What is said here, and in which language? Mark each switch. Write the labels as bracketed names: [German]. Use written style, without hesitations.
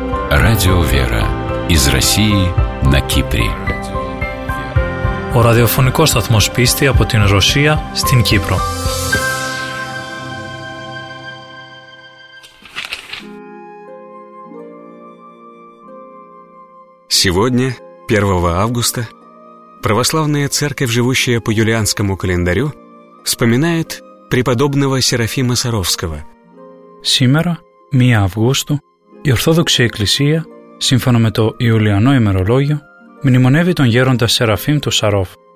[Russian] Радио «Вера» из России на Кипре. [Greek] Ο ραδιοφωνικός σταθμός πίστη από την Ρωσία στην Κύπρο. [Russian] Сегодня, 1 августа, православная церковь, живущая по юлианскому календарю, вспоминает преподобного Серафима Саровского. Сегодня, 1 августа, [Greek] η Ορθόδοξη Εκκλησία, σύμφωνα με το Ιουλιανό ημερολόγιο, μνημονεύει τον γέροντα Σεραφείμ του Σαρόφ.